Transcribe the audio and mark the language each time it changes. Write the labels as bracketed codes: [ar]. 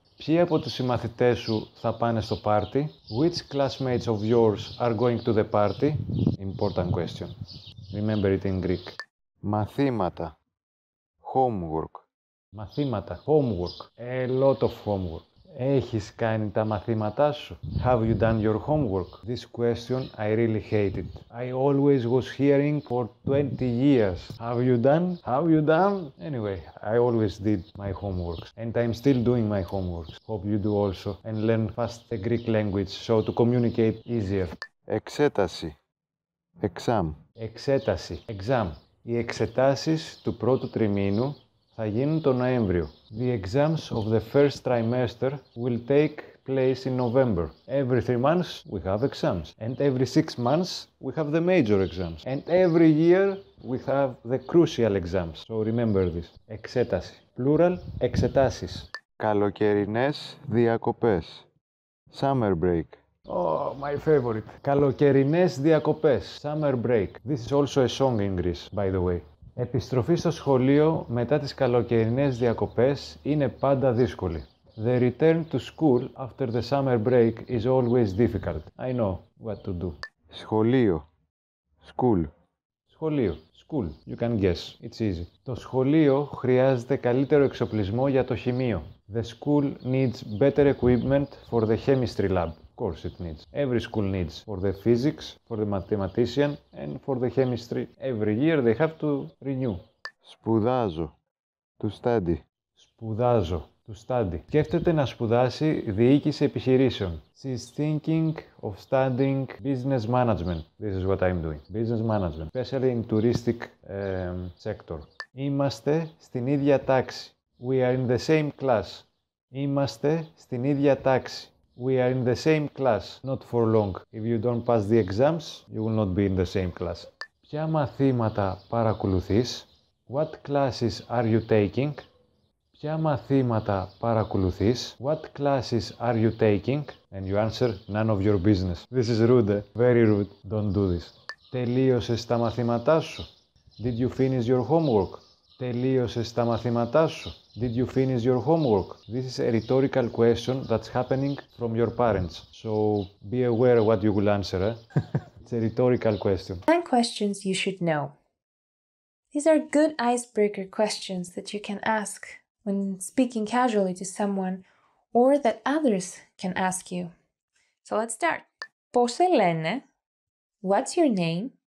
[el] Ποιοι από τους συμμαθητές σου θα πάνε στο πάρτι? [en] Which classmates of yours are going to the party? Important question. Remember it in Greek. [el] Μαθήματα. [en] Homework. [el] Μαθήματα. [en] Homework. A lot of homework. [el] Έχεις κάνει τα μαθήματά σου? [en] Have you done your homework? This question I really hated. I always was hearing for 20 years. Have you done? Have you done? Anyway, I always did my homework. And I'm still doing my homework. Hope you do also. And learn fast the Greek language so to communicate easier. [el] Εξέταση. [en] Exam. [el] Εξέταση. [en] Exam. [el] Οι εξετάσεις του πρώτου τριμήνου θα γίνουν τον Νοέμβριο. [en] The exams of the first trimester will take place in November. Every 3 months we have exams. And every 6 months we have the major exams. And every year we have the crucial exams. So remember this. [el] Εξέταση. [en] Plural, [el] εξετάσεις. Καλοκαιρινές διακοπές. [en] Summer break. Oh, my favorite. [el] Καλοκαιρινές διακοπές. [en] Summer break. This is also a song in Greece, by the way. [el] Επιστροφή στο σχολείο μετά τις καλοκαιρινές διακοπές είναι πάντα δύσκολη. [en] The return to school after the summer break is always difficult. I know what to do. [el] Σχολείο. [en] School. [el] Σχολείο. [en] School. You can guess. It's easy. [el] Το σχολείο χρειάζεται καλύτερο εξοπλισμό για το χημείο. [en] The school needs better equipment for the chemistry lab. Of course it needs. Every school needs for the physics, for the mathematician and for the chemistry. Every year they have to renew. [el] Σπουδάζω. [en] To study. [el] Σπουδάζω. [en] To study. [el] Σκέφτεται να σπουδάσει διοίκηση επιχειρήσεων. [en] She's thinking of studying business management. This is what I'm doing. Business management. Especially in touristic sector. [el] Είμαστε στην ίδια τάξη. [en] We are in the same class. [el] Είμαστε στην ίδια τάξη. [en] We are in the same class, not for long. If you don't pass the exams, you will not be in the same class. [el] Ποια μαθήματα παρακολουθείς? [en] What classes are you taking? [el] Ποια μαθήματα παρακολουθείς? [en] What classes are you taking? And you answer, none of your business. This is rude, very rude. Don't do this. [el] Τελείωσες τα μαθήματά σου? [en] Did you finish your homework? [el] Τελείωσες τα μαθήματά σου? [en] Did you finish your homework? This is a rhetorical question that's happening from your parents. So be aware of what you will answer. It's a rhetorical question. 10 questions you should know. These are good icebreaker questions that you can ask when speaking casually to someone or that others can ask you. So let's start. [el] Πώς σε λένε? [en] What's your name?